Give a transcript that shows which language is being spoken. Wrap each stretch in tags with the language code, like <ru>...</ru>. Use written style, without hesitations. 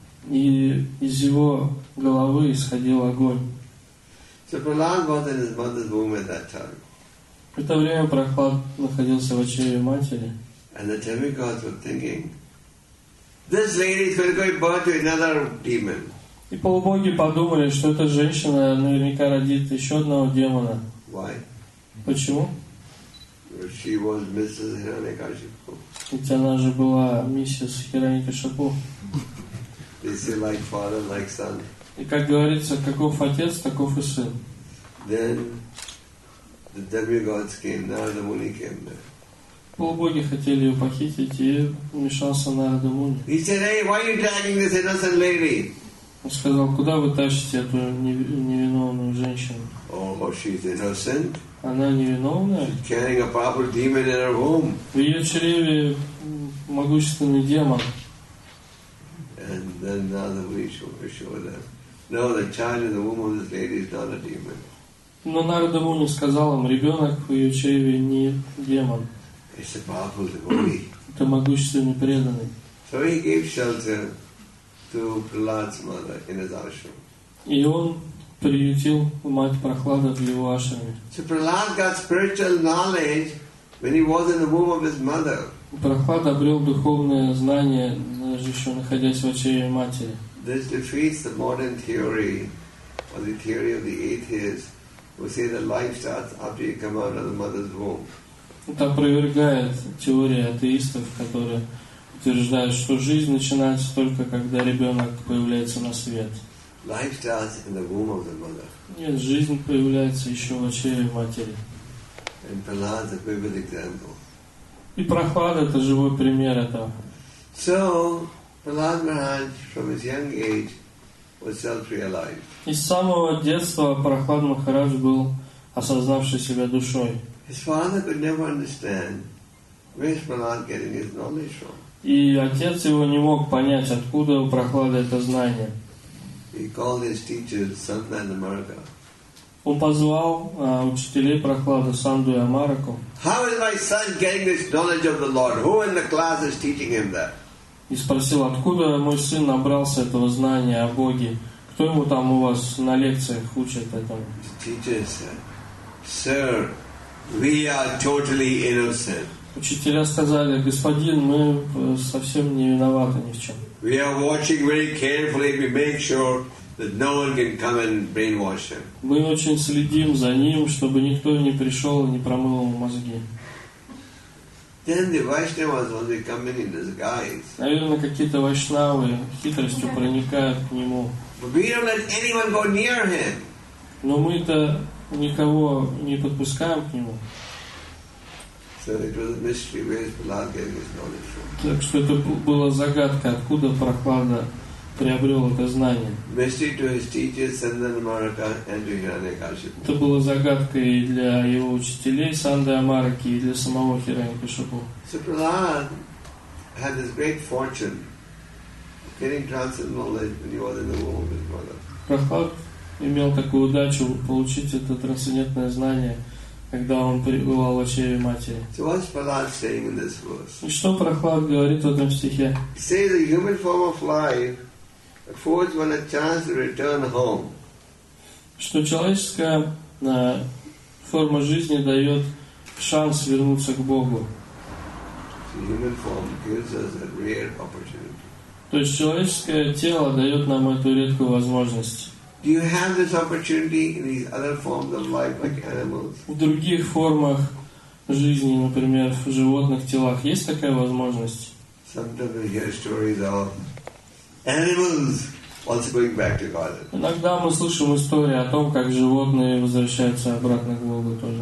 <ru>И из его головы исходил огонь.</ru> <en>So Prahlad was in his mother's womb at that time.</en> <ru>В это время Прохлад находился в очереди матери.</ru> <en>And the demigods were thinking, this lady is going to give birth to another demon.</en> <ru>И полубоги подумали, что эта женщина наверняка родит еще одного демона.</ru> <en>Why?</en> <ru>Почему?</ru> <en>She was Mrs. Hiranyakashipu.</en> <ru>Ведь она же была миссис Хираньякашипу.</ru> <en>They say like father, like son.</en> <ru>И как говорится, каков отец, таков и сын.</ru> <en>Then the demigods came, Narada Muni came there.</en> <ru>Полубоги хотели ее похитить, и вмешался Нарада Муни.</ru> <en>He said, hey, why are you dragging this innocent lady?</en> <ru>Он сказал, куда вы тащите эту невиновную женщину?</ru> <en>Oh, she's innocent.</en> <ru>Она невиновная.</ru> <en>She's carrying a proper demon in her womb.</en> <ru>В ее чреве могущественный демон.</ru> <en>And then Narada Muni assured them, no, the child in the womb of this lady is not a demon.</en> <ru>Но Нарада Муни сказал им, ребенок в ее чреве не демон.</ru> <en>It's a powerful devotee.</en> <ru>Это могущественный преданный.</ru> <en>So he gave shelter to Prahlad's mother in his ashram.</en> <ru>И он приютил мать Прохлада в его ашраме.</ru> <en>So Prahlad got spiritual knowledge when he was in the womb of his mother.</en> <ru>Прохлад обрел духовное знание, еще находясь в чреве матери.</ru> <en>This defeats the modern theory, or the theory of the atheists, who say that life starts after you come out of the mother's womb.</en> <ru>Это опровергает теорию атеистов, которые утверждают, что жизнь начинается только когда ребенок появляется на свет.</ru> <en>Life starts in the womb of the mother.</en> <ru>Нет, жизнь появляется еще в чреве матери.</ru> <en>And Prahlad is a vivid example.</en> <ru>И Прохлад это живой пример этого.</ru> <en>So Prahlad Maharaj from his young age was self-realized.</en> <ru>И с самого детства Прохлад Махарадж был осознавший себя душой.</ru> <en>His father could never understand where is Prahlad getting his knowledge from.</en> <ru>И отец его не мог понять, откуда у Прохлада это знание.</ru> <en>He called his teacher Sandu and Amaraka.</en> <ru>Он позвал учителей Прохлада Санду и Амараку.</ru> <en>How is my son getting this knowledge of the Lord? Who in the class is teaching him that?</en> <ru>И спросил, откуда мой сын набрался этого знания о Боге? Кто ему там у вас на лекциях учит этому?</ru> <en>His teacher said, sir, we are totally innocent.</en> <ru>Учителя сказали, господин, мы совсем не виноваты ни в чем.</ru> <en>We are watching very carefully. We make sure that no one can come and brainwash him.</en> <ru>Мы очень следим за ним, чтобы никто не пришел и не промыл ему мозги.</ru> <en>Then the Vaishnavas will be coming in disguise.</en> <ru>Наверное, какие-то вайшнавы хитростью проникают к нему.</ru> <en>But we don't let anyone go near him.</en> <ru>Но мы-то никого не подпускаем к нему.</ru> <en>So it was a mystery where Prahlad getting his knowledge from.</en> <ru>Так что это была загадка, откуда Прохлада приобрел это знание.</ru> <en>Mystery to his teachers Sandu and Amaraka and to Hiranyakashipu.</en> <ru>Это была загадка и для его учителей Санды Амараки и для самого Хираньякашипу.</ru> <en>So Prahlad had this great fortune of getting transcendental knowledge when he was in the womb of his mother.</en> <ru>Прохлад имел такую удачу получить это трансцендентное знание, когда он пребывал в чреве матери.</ru> <en>So what's Prahlad saying in this verse?</en> <ru>И что Прохлад говорит в этом стихе?</ru> <en>He says the human form of life affords one a chance to return home.</en> <ru>Что человеческая форма жизни дает шанс вернуться к Богу.</ru> <en>The human form gives us a rare opportunity.</en> <ru>То есть человеческое тело дает нам эту редкую возможность.</ru> <en>Do you have this opportunity in these other forms of life, like animals?</en> <ru>В других формах жизни, например, в животных телах, есть такая возможность?</ru> <en>Sometimes we hear stories of animals also going back to Godhead.</en> <ru>Иногда мы слышим истории о том, как животные возвращаются обратно к Богу тоже.</ru>